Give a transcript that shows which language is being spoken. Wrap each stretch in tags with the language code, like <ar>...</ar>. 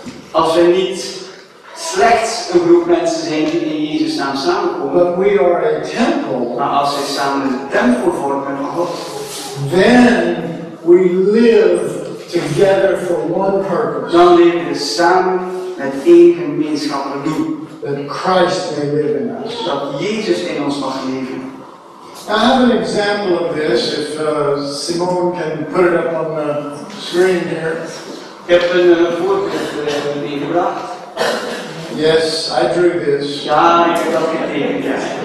<nl>als we niet slechts een groep mensen zijn die in Jezus naam samenkomen,</nl> <en>but we are a temple,</en> <nl>maar als we samen een tempel vormen van God,</nl> <en>then we live together for one purpose.</en> <nl>Dan leven we samen met één gemeenschappelijk doel.</nl> <en>That Christ may live in us.</en> <nl>Dat Jezus in ons mag leven.</nl> <en>I have an example of this, if Simone can put it up on the screen here.</en> <nl>Ik heb een voorbeeld meegebracht.</nl> <en>Yes, I drew this.</en> <nl>Ja, ik heb dat getekend, ja.</nl>